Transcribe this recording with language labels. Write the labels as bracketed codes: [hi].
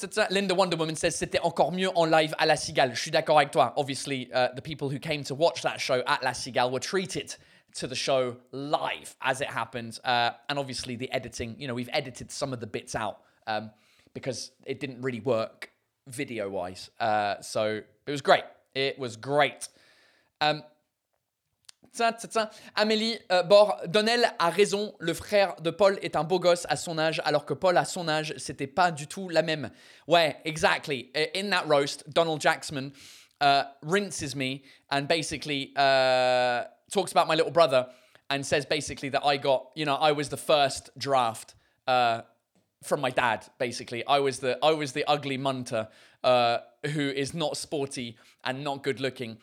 [fr] Linda Wonder Woman [en] says, [fr] c'était encore mieux en live à La Cigale. Je suis d'accord avec toi. [en] Obviously, the people who came to watch that show at La Cigale were treated to the show live as it happened. And obviously the editing, you know, we've edited some of the bits out because it didn't really work video-wise. So it was great. It was great. [fr] Amélie Donnel a raison. Le frère de Paul est un beau gosse à son âge, alors que Paul à son âge, c'était pas du tout la même. [en] Ouais, exactly. In that roast, Donald Jacksman rinses me and basically talks about my little brother and says basically that I got, you know, I was the first draft from my dad. Basically, I was the ugly munter who is not sporty and not good looking.